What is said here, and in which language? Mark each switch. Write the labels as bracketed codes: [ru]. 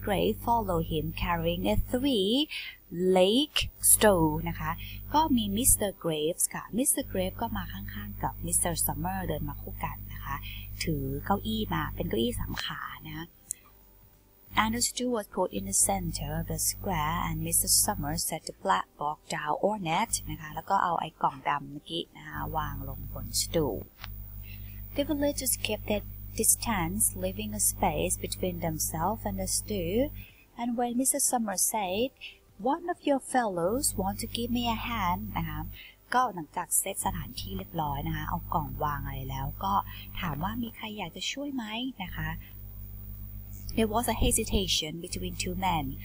[en] Gray followed him carrying a three lake stone [th] นะคะก็มี Mr. Graves ค่ะ [en] Mr. [th] Graves ก็มาข้างๆกับ Mr. [en] Summer [th] เดินมาคู่กันนะคะถือเก้าอี้มาเป็นเก้าอี้สามขานะ [en] And the stool was put in the center of the square, and Mr. Summer set the black box down on it. [th] นะคะ แล้วก็เอาไอ้กล่องดำเมื่อกี้นะคะ วางลงบนสตูล [en] The villagers kept their distance, leaving a space between themselves and the stool. And when Mr. Summer said, "One of your fellows want to give me a hand," [th] นะคะก็หลังจากเซตสถานที่เรียบร้อยนะคะ เอากล่องวางอะไรแล้วก็ถามว่ามีใครอยากจะช่วยไหมนะคะ [en] There was a hesitation between two men.